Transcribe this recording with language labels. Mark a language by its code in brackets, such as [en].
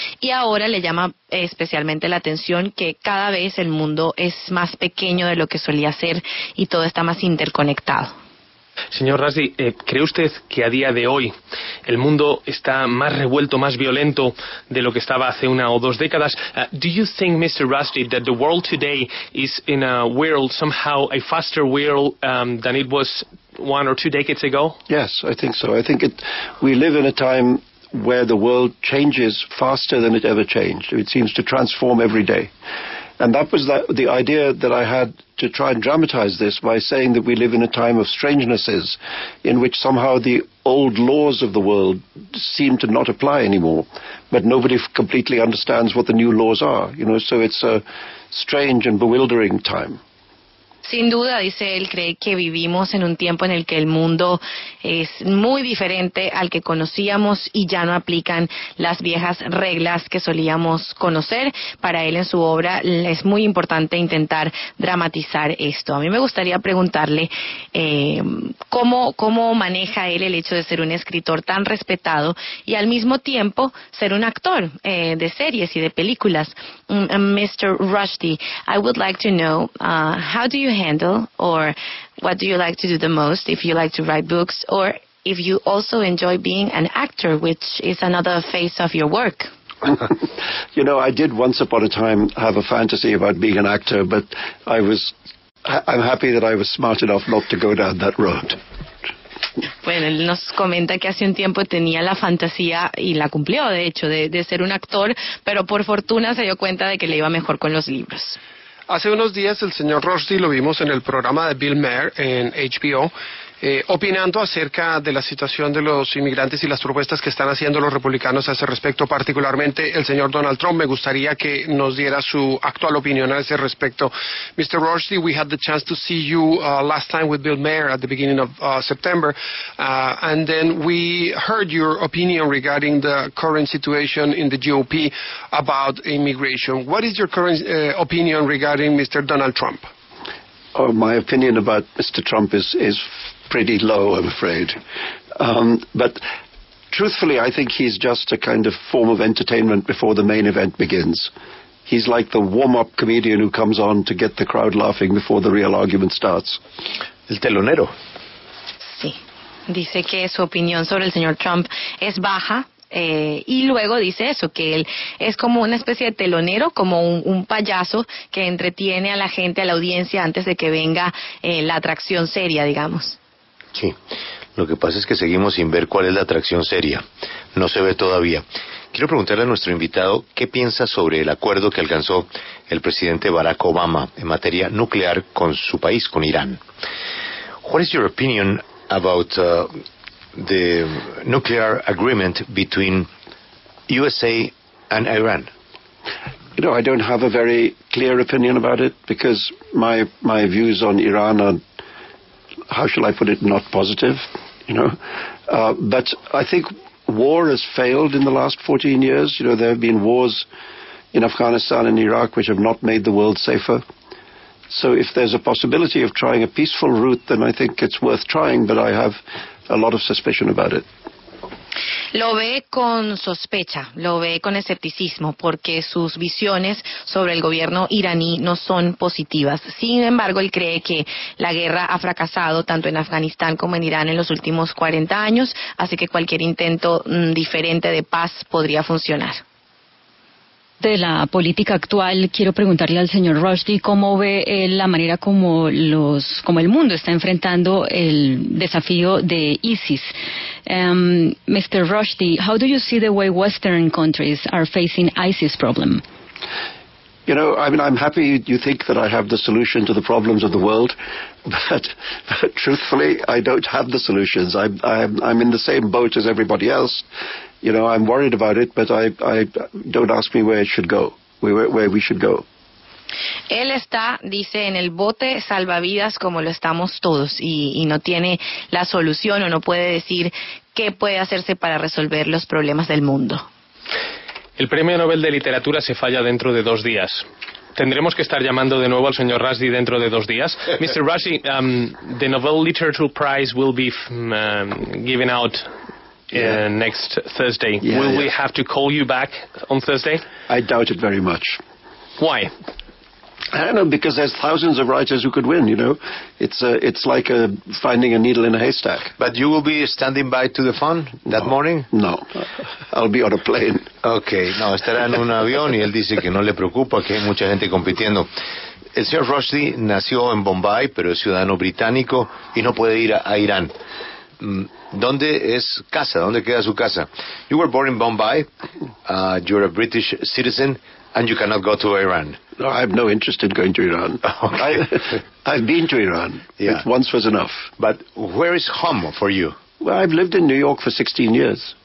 [es] Y ahora le llama especialmente la atención que cada vez el mundo es más pequeño de lo que solía ser y todo está más interconectado. Señor Rushdie, ¿cree usted que a día de hoy el mundo está más revuelto, más violento de lo que estaba hace una o dos décadas? [en] Do you think, Mr. Rushdie, that the world today is in a world, somehow a faster world than it was 1 or 2 decades ago? Yes, I think so. I think we live in a time where the world changes faster than it ever changed. It seems to transform every day. And that was the idea that I had to try and dramatize this by saying that we live in a time of strangenesses in which somehow the old laws of the world seem to not apply anymore, but nobody completely understands what the new laws are, you know, so it's a strange and bewildering time. [es] Sin duda, dice él, cree que vivimos en un tiempo en el que el mundo es muy diferente al que conocíamos y ya no aplican las viejas reglas que solíamos conocer. Para él, en su obra, es muy importante intentar dramatizar esto. A mí me gustaría preguntarle cómo maneja él el hecho de ser un escritor tan respetado y al mismo tiempo ser un actor de series y de películas. [en] Mr. Rushdie, I would like to know, how do you handle, or what do you like to do the most, if you like to write books, or if you also enjoy being an actor, which is another phase of your work? You know, I did once upon a time have a fantasy about being an actor, but I'm happy that I was smart enough not to go down that road. [es] Bueno, él nos comenta que hace un tiempo tenía la fantasía y la cumplió, de hecho, de ser un actor, pero por fortuna se dio cuenta de que le iba mejor con los libros. Hace unos días el señor Rushdie lo vimos en el programa de Bill Maher en HBO, opinando acerca de la situación de los inmigrantes y las propuestas que están haciendo los republicanos a ese respecto, particularmente el señor Donald Trump. Me gustaría que nos diera su actual opinión a ese respecto. [en] Mr. Rushdie, we had the chance to see you last time with Bill Maher at the beginning of September, and then we heard your opinion regarding the current situation in the GOP about immigration. What is your current opinion regarding Mr. Donald Trump? my opinion about Mr. Trump is pretty low, I'm afraid. But truthfully, I think he's just a kind of form of entertainment before the main event begins. He's like the warm-up comedian who comes on to get the crowd laughing before the real argument starts. [es] El telonero. Sí. Dice que su opinión sobre el señor Trump es baja. Y luego dice eso, que él es como una especie de telonero, como un payaso que entretiene a la gente, a la audiencia, antes de que venga la atracción seria, digamos. Sí. Lo que pasa es que seguimos sin ver cuál es la atracción seria. No se ve todavía. Quiero preguntarle a nuestro invitado qué piensa sobre el acuerdo que alcanzó el presidente Barack Obama en materia nuclear con su país, con Irán. [en] What is your opinion about the nuclear agreement between USA and Iran? You know, I don't have a very clear opinion about it because my views on Iran are, how shall I put it, not positive, you know. But I think war has failed in the last 14 years. You know, there have been wars in Afghanistan and Iraq which have not made the world safer. So if there's a possibility of trying a peaceful route, then I think it's worth trying, but I have a lot of suspicion about it. [es] Lo ve con sospecha, lo ve con escepticismo, porque sus visiones sobre el gobierno iraní no son positivas. Sin embargo, él cree que la guerra ha fracasado tanto en Afganistán como en Irán en los últimos 40 años, así que cualquier intento diferente de paz podría funcionar. De la política actual, quiero preguntarle al señor Rushdie cómo ve él la manera como el mundo está enfrentando el desafío de ISIS. [en] Mr. Rushdie, how do you see the way Western countries are facing ISIS problem? You know, I mean, I'm happy you think that I have the solution to the problems of the world, but truthfully, I don't have the solutions. I'm in the same boat as everybody else. You know, I'm worried about it, but I don't ask me where it should go, where we should go. [es] Él está, dice, en el bote salvavidas como lo estamos todos y no tiene la solución o no puede decir qué puede hacerse para resolver los problemas del mundo. El premio Nobel de Literatura se falla dentro de 2 días. ¿Tendremos que estar llamando de nuevo al señor Rushdie dentro de 2 días? [en] Mr. Rushdie, the Nobel Literature Prize will be given out next Thursday. Yeah, will we have to call you back on Thursday? I doubt it very much. Why? I don't know, because there's thousands of writers who could win, you know. It's like finding a needle in a haystack. But you will be standing by to the phone that morning? No, I'll be on a plane. [es] Okay, no, estará en un avión y él dice que no le preocupa, que hay mucha gente compitiendo. El señor Rushdie nació en Bombay, pero es ciudadano británico y no puede ir a Irán. ¿Dónde es casa? ¿Dónde queda su casa? [en] You were born in Bombay, you're a British citizen, and you cannot go to Iran. No, I have no interest in going to Iran. Okay. I've been to Iran. Yeah. It once was enough. But where is home for you? Well, I've lived in New York for 16 years.